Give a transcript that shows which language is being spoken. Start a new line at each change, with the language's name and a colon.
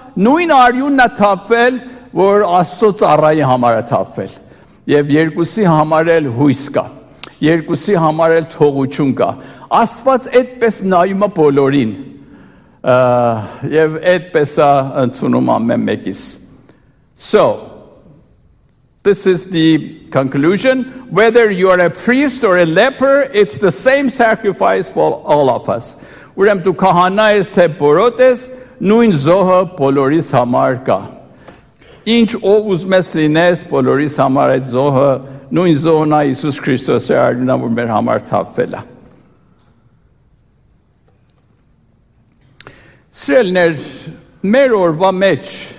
Armenian: նույն արյունն է թափվել, որ Աստծո ծառայի համար է թափվել, և երկուսի համար էլ հույս կա, երկուսի համար էլ թողություն կա։ Աստված այդպես նայում է բոլորին, Եվ այդպես է ընդունում ամեն մեկիս։
English: So, this is the conclusion. Whether you are a priest or a leper, it's the same sacrifice for all of us.
Armenian: Ուրեմ դու կահանա ես, թե պորոտ ես, նույն զոհը բոլորիս համար կա։ Ինչ ով ուզում ես լինես, բոլորիս համար այդ զոհը, նույն զոհն է Իսուս Քրիստոսը արդյունա, որ մեր համար թափվել է։ Սիրելիներ, մեր օրվա մեջ,